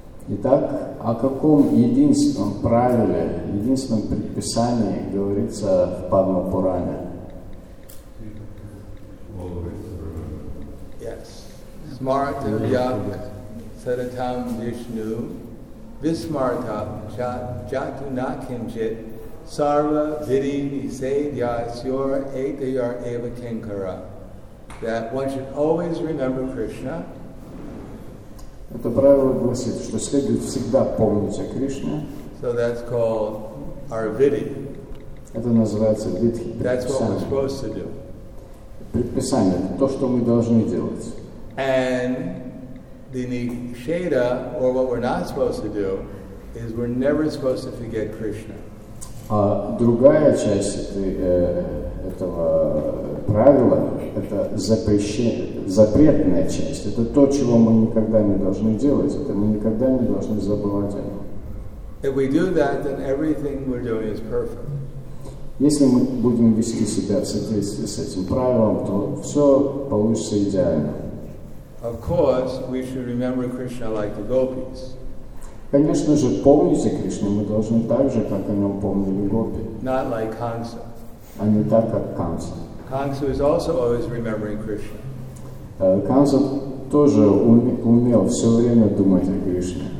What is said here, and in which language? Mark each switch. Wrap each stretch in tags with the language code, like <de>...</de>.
<ru>Итак, о каком единственном правиле, единственном предписании говорится в Падма Пуране?</ru> <sa>Yes. Smarta Yag Sadatam Vishnu. Vismarta jatu na kinjit sarva vidhi nisedya syor etayar eva kinkara.</sa> <en>That one should always remember Krishna.</en> <ru>Это правило гласит, что следует всегда помнить о Кришне.</ru> <en>So that's called arvidhi.</en> <ru>Это называется видхи,</ru> <en>предписание. That's what we're supposed to do.</en> <ru>Предписание, то, что мы должны делать.</ru> <en>And the nisheda, or what we're not supposed to do, is we're never supposed to forget Krishna.</en> <ru>А другая часть этого правила это запретная часть. Это то, чего мы никогда не должны делать. Это мы никогда не должны забывать о нем.</ru> <en>If we do that, then everything we're doing is perfect.</en> <ru>Если мы будем вести себя в соответствии с этим правилом, то все получится идеально.</ru> <en>Of course, we should remember Krishna like the gopis.</en> <ru>Конечно же, помнить о Кришне мы должны так же, как о нем помнили гопи.</ru> <en>Not like Kamsa.</en> <ru>А не так, как Kamsa.</ru> <en>Kamsa is also always remembering Krishna.</en> <ru>Kamsa тоже умел все время думать о Кришне.</ru>